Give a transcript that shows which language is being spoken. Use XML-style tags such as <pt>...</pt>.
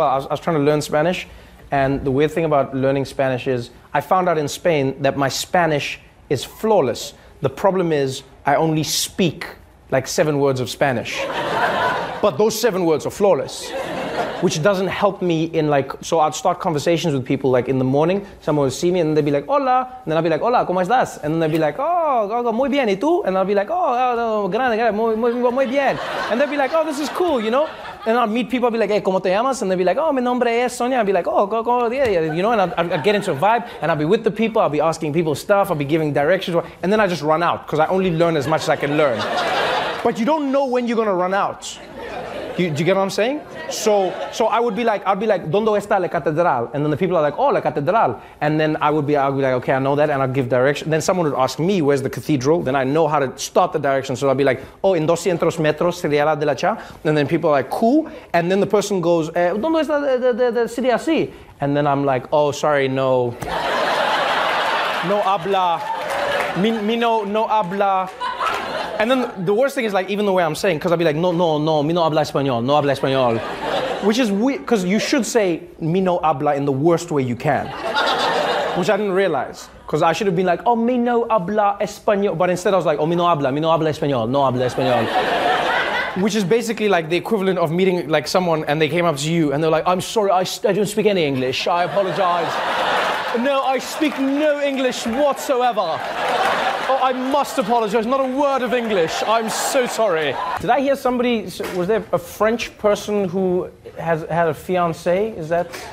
<en>I was trying to learn Spanish. And the weird thing about learning Spanish is I found out in Spain that my Spanish is flawless. The problem is I only speak like 7 words of Spanish. But those 7 words are flawless, which doesn't help me in like, so I'd start conversations with people like in the morning, someone would see me and they'd be like, hola. And then I'd be like,</en> <es>hola, ¿cómo estás?</es> <en>And then they'd be like, oh,</en> <es>muy bien, ¿y tú?</es> <en>And I'd be like, oh,</en> <es>grande, muy bien.</es> <en>And they'd be like, oh, this is cool, you know? And I'd meet people, I'd be like, hey,</en> <es>¿cómo te llamas?</es> <en>And they'd be like, oh,</en> <es>mi nombre es Sonia.</es> <en>I'd be like, oh,</en> <es>¿cómo te llamas?</es> <en>You know, and I'd get into a vibe and I'd be with the people, I'd be asking people stuff, I'd be giving directions. And then I just run out because I only learn as much as I can learn. But you don't know when you're gonna run out. Do you get what I'm saying? So I'd be like,</en> <es>¿dónde está la catedral?</es> <en>And then the people are like, oh, la catedral. And then I'd be like, okay, I know that, and I'd give direction. Then someone would ask me, where's the cathedral? Then I know how to start the direction. So I'd be like, oh,</en> <es>en 200 metros sería la de la cha.</es> <en>And then people are like, cool. And then the person goes,</en> <es>¿dónde está</es> <en>the city así? And then I'm like, oh, sorry, no.</en> <es>No habla. Mi no habla.</es> <en>And then the worst thing is, like, even the way I'm saying, because I'd be like, no,</en> <es>mi no habla español, no habla español.</es> <en>Which is weird, because you should say</en> <es>mi no habla</es> <en>in the worst way you can. Which I didn't realize, because I should have been like, oh,</en> <es>mi no habla español.</es> <en>But instead I was like, oh,</en> <es>mi no habla español, no habla español.</es> <en>Which is basically like the equivalent of meeting like someone and they came up to you and they're like, I'm sorry, I don't speak any English, I apologize. No, I speak no English whatsoever. Oh, I must apologize, not a word of English. I'm so sorry. Did I hear somebody, was there a French person who has had a fiance? Is that?</en>